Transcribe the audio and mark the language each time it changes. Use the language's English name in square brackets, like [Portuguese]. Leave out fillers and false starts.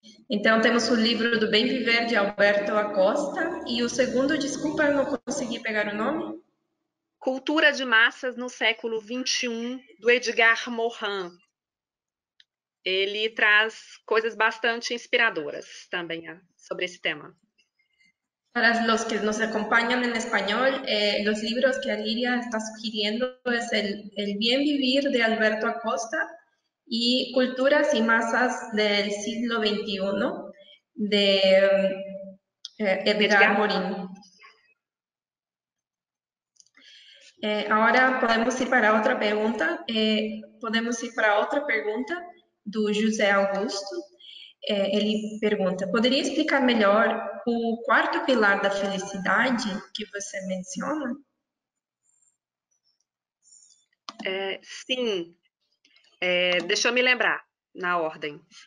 [Portuguese] Então, temos o livro do Bem Viver de Alberto Acosta e o segundo, desculpa, eu não consegui pegar o nome. Cultura de Massas no Século XXI, do Edgar Morin. Ele traz coisas bastante inspiradoras também sobre esse tema. [Spanish] Para los que nos acompañan en español, los libros que Aliria está sugiriendo es el Bien Vivir de Alberto Acosta y Culturas y Masas del Siglo XXI de Edgar Edgar. Morin. Ahora podemos ir para otra pregunta. Podemos ir para otra pregunta [Portuguese] do [Spanish] José Augusto. [Portuguese] Ele pergunta: poderia explicar melhor o quarto pilar da felicidade que você menciona? Sim, deixa eu me lembrar na ordem.